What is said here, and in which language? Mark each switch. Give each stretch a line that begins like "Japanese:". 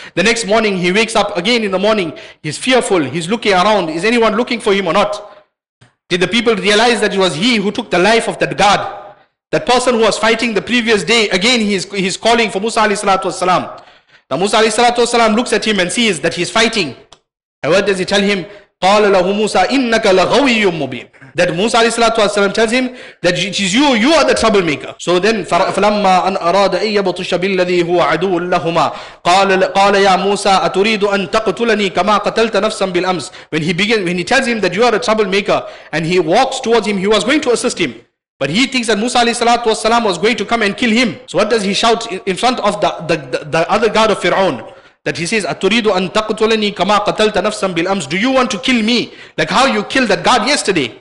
English: The next morning he wakes up again in the morning. He's fearful. He's looking around. Is anyone looking for him or not? Did the people realize that it was he who took the life of that guard? That person who was fighting the previous day, again he's calling for Musa alayhi salatu wasalam. Now Musa alayhi salatu wasalam looks at him and sees that he's fighting. And what does he tell him?
Arabic: قال له موسى إنك لغوي مبين.
English: That Musa alayhi salatu wasalam tells him that it is you are the troublemaker. So then
Arabic: فلما أن أراد أن يبطش بالذي هو عدو لهما قال يا موسى أتريد أن تقتلني كما قتلت نفسا بالأمس.
English: When he tells him that you are a troublemaker, and he walks towards him, he was going to assist him, but he thinks that Musa alayhi salatu wasalam was going to come and kill him. So what does he shout in front of the other guard of Fir'aun? That he says,
Arabic: أَتُرِيدُ أَن تَقْتُلَنِي كَمَا قَتَلْتَ نَفْسًا بِالْأَمْسِ.
English: Do you want to kill me? Like how you killed that guard yesterday.